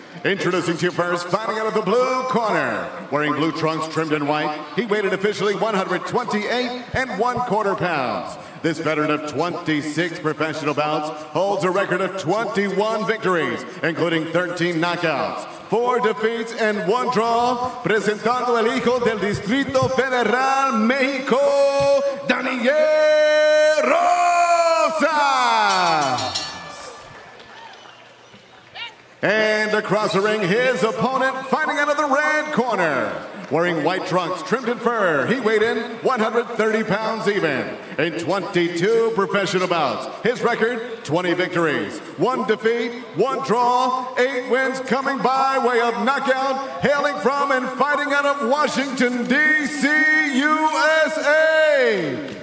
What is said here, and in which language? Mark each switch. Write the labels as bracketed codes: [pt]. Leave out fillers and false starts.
[en] Introducing to you first, fighting out of the blue corner. Wearing blue trunks trimmed in white, he weighed officially 128¼ pounds. This veteran of 26 professional bouts holds a record of 21 victories, including 13 knockouts, 4 defeats, and 1 draw. [es] Presentando el hijo del Distrito Federal Mexico, Daniel Rosas. [en] And across the ring, his opponent fighting out of the red corner. Wearing white trunks, trimmed in fur, he weighed in 130 pounds even. In 22 professional bouts, his record, 20 victories, 1 defeat, 1 draw, 8 wins coming by way of knockout, hailing from and fighting out of Washington, D.C., USA.